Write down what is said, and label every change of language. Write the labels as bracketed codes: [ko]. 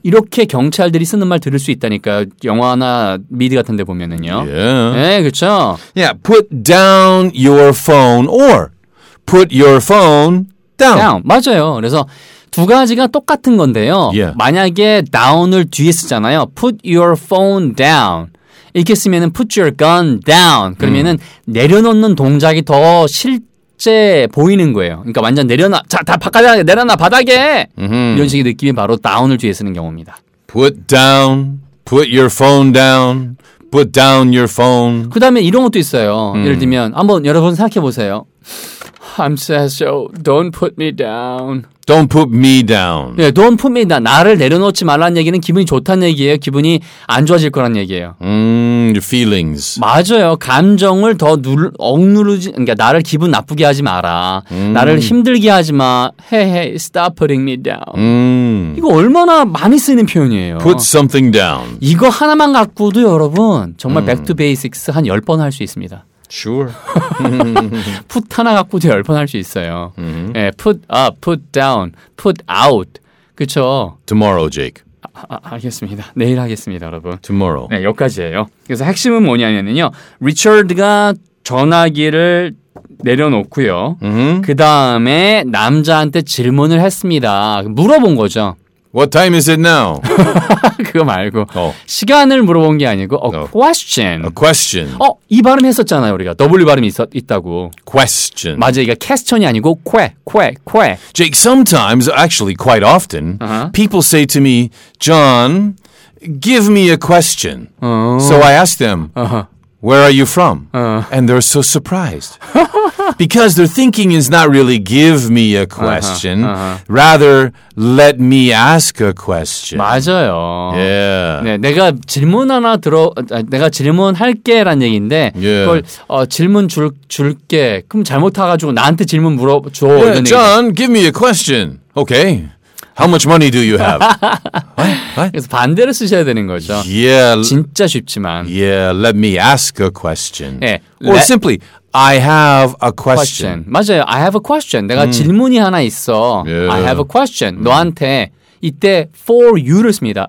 [ko] 이렇게 경찰들이 쓰는 말 들을 수 있다니까요. 영화나 미드 같은 데 보면은요. [en] Yeah. [ko] 네, 그렇죠? [en] Yeah, put down your phone or put your phone down. [ko] Down, 맞아요. 그래서 두 가지가 똑같은 건데요. [en] Yeah. [ko] 만약에 down을 뒤에 쓰잖아요. [en] Put your phone down. [ko] 이렇게 쓰면은 [en] put your gun down. [ko] 그러면은 내려놓는 동작이 더 실제 보이는 거예요. 그러니까 완전 내려놔. 자, 다 바깥에 내려놔. 바닥에. 이런 식의 느낌이 바로 down을 뒤에 쓰는 경우입니다. [en] Put down. Put your phone down. Put down your phone. [ko] 그 다음에 이런 것도 있어요. 예를 들면 한번 여러분 생각해 보세요. [en] I'm sad, so don't put me down. Don't put me down. 네, don't put me down. [ko] 나를 내려놓지 말라는 얘기는 기분이 좋다는 얘기예요. 기분이 안 좋아질 거란 얘기예요. [en] Your feelings. [ko] 맞아요. 감정을 더 억누르지, 그러니까 나를 기분 나쁘게 하지 마라. 나를 힘들게 하지 마. [en] Hey, hey, stop putting me down. [ko] 이거 얼마나 많이 쓰이는 표현이에요. [en] Put something down. [ko] 이거 하나만 갖고도 여러분 정말 [en] back to basics [ko] 한 열 번 할 수 있습니다. [en] Sure. [ko] put 하나 갖고도 열 번 할 수 있어요. Mm-hmm. [en] 예, put up, put down, put out. 그쵸? Tomorrow, Jake. [ko] 알겠습니다. 내일 하겠습니다, 여러분. [en] Tomorrow. [ko] 네, 여기까지예요. 그래서 핵심은 뭐냐면요. Richard가 전화기를 내려놓고요. Mm-hmm. 그 다음에 남자한테 질문을 했습니다. 물어본 거죠. [en] What time is it now? [ko] 그거 말고 oh. 시간을 물어본 게 아니고 [en] a question. A question. [ko] 이 발음 했었잖아요 우리가 W 발음이 있다고. [en] Question. [ko] 맞아, 이게 캐스천이 아니고 퀘, 퀘, 퀘. [en] Jake, sometimes, actually quite often, people say to me, John, give me a question. Uh-huh. So I ask them, where are you from? Uh-huh. And they're so surprised. Because their thinking is not really give me a question, rather let me ask a question. [ko] 맞아요. [en] Yeah. [ko] 네, 내가 질문 하나 들어, 내가 질문할게란 얘기인데 [en] yeah. [ko] 그걸 질문 줄게. 그럼 잘못 타가지고 나한테 질문 물어줘. [en] Yeah, John, 얘기. give me a question. Okay. How much money do you have? What? What? [ko] 그래서 반대로 쓰셔야 되는 거죠. [en] Yeah. [ko] 진짜 쉽지만. [en] Yeah. Let me ask a question. [ko] 네. [en] Or simply. I have a question. [ko] 맞아요. [en] I have a question. [ko] 내가 질문이 하나 있어. [en] Yeah. I have a question. [ko] 너한테 이때 [en] for you [ko] 를 씁니다.